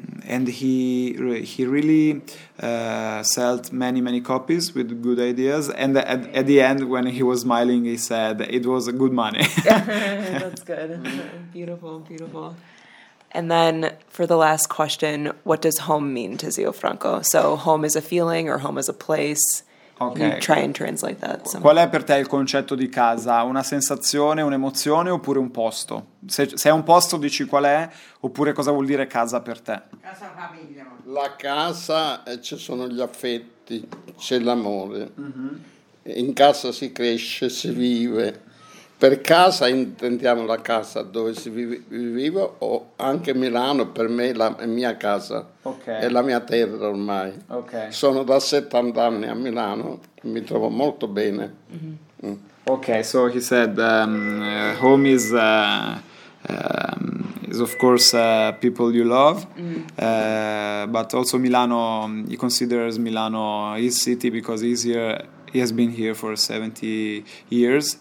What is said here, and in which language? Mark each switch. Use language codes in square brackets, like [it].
[en] And he really sold many copies with good ideas. And at the end, when he was smiling, he said it was a good money. That's good. Beautiful. And then for the last question, what does home mean to Zio Franco? So home is a feeling, or home is a place. Okay. You try and translate that. Somewhere. [it] Qual è per te il concetto di casa? Una sensazione, un'emozione oppure un posto? Se è un posto, dici qual è, oppure cosa vuol dire casa per te? Casa famiglia. La casa, ci sono gli affetti, c'è l'amore. Mm-hmm. In casa si cresce, si vive. Per casa intendiamo la casa dove si vive, o anche Milano per me è mia casa, okay. È la mia terra ormai. Okay. Sono da 70 anni a Milano, mi trovo molto bene. Mm-hmm. Mm. [en] Okay, so he said home is of course people you love, mm-hmm. But also Milano, he considers Milano his city because he's here. He has been here for 70 years.